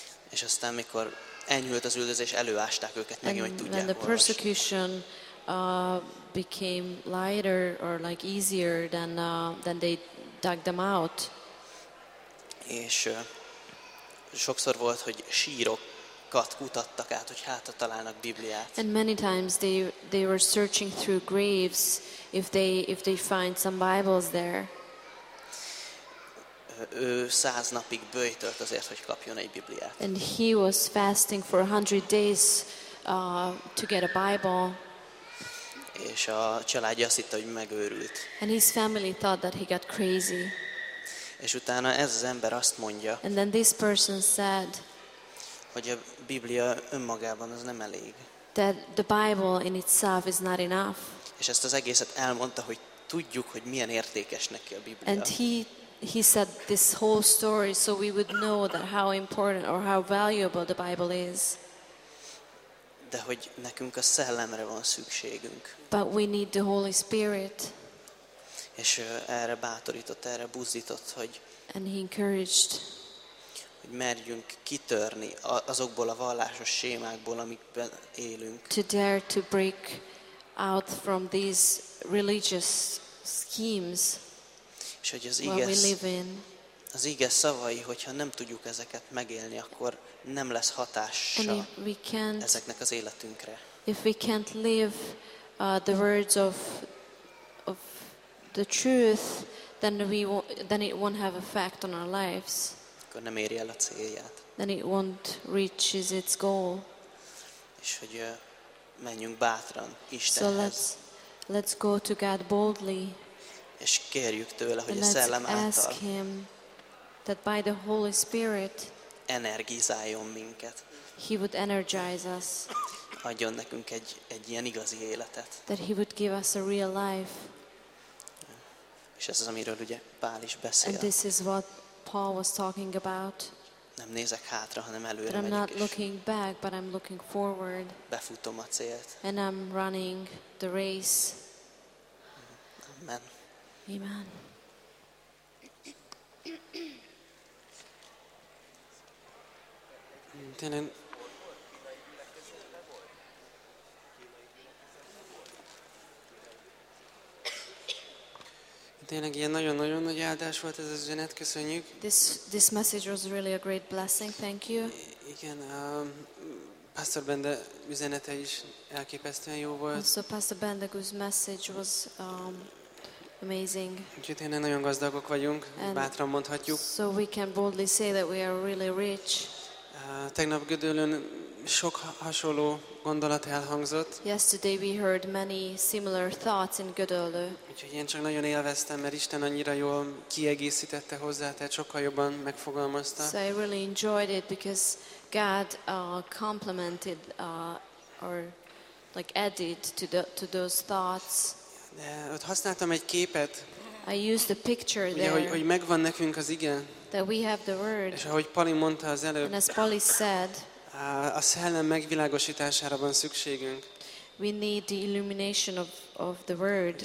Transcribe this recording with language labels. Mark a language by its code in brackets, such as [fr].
[hu] És aztán mikor enyhült az üldözés, előásták őket, megint, hogy tudják. [en] When the persecution became lighter or like easier, then they dug them out. [hu] És sokszor volt, hogy sírokat kutattak át, hogy hátha találnak Bibliát. [en] And many times they were searching through graves if they find some Bibles there. [hu] Ő 100 napig böjtölt azért, hogy kapjon egy Bibliát. [en] And he was fasting for 100 days to get a Bible. [hu] És a családja azt hitte, hogy megőrült. [en] And his family thought that he got crazy. [hu] És utána ez az ember azt mondja, [en] and then this person said, [hu] hogy a Biblia önmagában az nem elég. [en] That the Bible in itself is not enough. [hu] És ezt az egészet elmondta, hogy tudjuk, hogy milyen értékes neki a Biblia. [en] And he he said this whole story so we would know that how important or how valuable the Bible is. [hu] De hogy nekünk a szellemre van szükségünk. [en] But we need the Holy Spirit. [hu] És erre bátorított, erre buzdított, hogy [en] and he encouraged [hu] hogy merjünk kitörni azokból a vallásos sémákból, amikben élünk. [en] To dare to break out from these religious schemes. [hu] És hogy az ige, az ige szavai, hogyha nem tudjuk ezeket megélni, akkor nem lesz hatása ezeknek az életünkre. [en] If we can't live the words of the truth, then it won't have effect on our lives. [hu] Akkor nem éri el a célját. [en] Then it won't reach its goal. [hu] És hogy menjünk bátran Istenhez. [en] So let's go to God boldly. [hu] És kérjük tőle, hogy a szellem által [en] ask him that by the Holy Spirit [hu] energizáljon minket. [en] He would energize us. [hu] Adjon nekünk egy ilyen igazi életet. [en] That he would give us a real life. [hu] És ez az, amiről ugye Pál is beszél. [en] And this is what Paul was talking about. [hu] Nem nézek hátra, hanem előre megyek. [en] I'm not looking back, but I'm looking forward. [hu] Befutom a célt. [en] And I'm running the race. [hu] Amen. [en] Amen. [hu] Tényleg ilyen nagyon-nagyon nagy áldás volt ez az üzenet, köszönjük. [en] This message was really a great blessing, thank you. [hu] Igen, Pastor Bende üzenete is elképesztően jó volt. [en] So Pastor Bende's message was amazing. [hu] Úgyhogy tényleg nagyon gazdagok vagyunk, and bátran mondhatjuk. [en] So we can boldly say that we are really rich. [hu] Tegnap Gödöllőn sok hasonló gondolat elhangzott. [en] Yesterday we heard many similar thoughts in Gödöllő. [hu] Úgyhogy én csak nagyon élveztem, mert Isten annyira jól kiegészítette hozzá, tehát sokkal jobban megfogalmazta. [en] So I really enjoyed it because God complimented or like added to those thoughts. [hu] De ott használtam egy képet. [en] I used a picture [hu] ugye, [en] there. [hu] Hogy megvan nekünk az ige. [en] That we have the word. [hu] És ahogy Pali mondta az előbb. [en] And as Pali said, [hu] a szellem megvilágosítására van szükségünk. [en] We need the illumination of the word.